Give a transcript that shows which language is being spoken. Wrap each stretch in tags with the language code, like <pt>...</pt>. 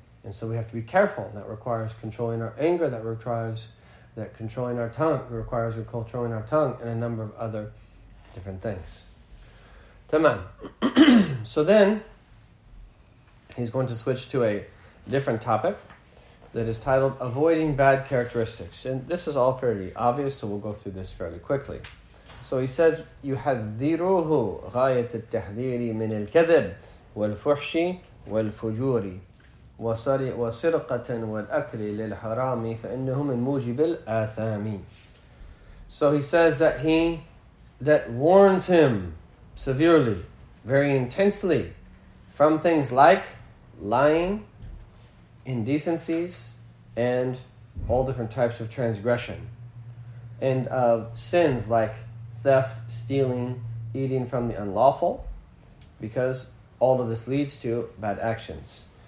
<en>And so we have to be careful. That requires controlling our anger, that requires that controlling our tongue, requires controlling our tongue and a number of other different things. Tamam. So then, he's going to switch to a different topic that is titled, Avoiding Bad Characteristics. And this is all fairly obvious, so we'll go through this fairly quickly. So he says,</en> <ar>يُحَذِّرُهُ غَايَةِ التَّحْذِيرِ مِنِ الْكَذِبِ وَالْفُحْشِ وَالْفُجُورِ وسرقة والأكل للحرام فإنه من موجب الآثام.</ar> <en>So he says that he warns him severely, very intensely, from things like lying, indecencies, and all different types of transgression, and of sins like theft, stealing, eating from the unlawful, because all of this leads to bad actions.</en>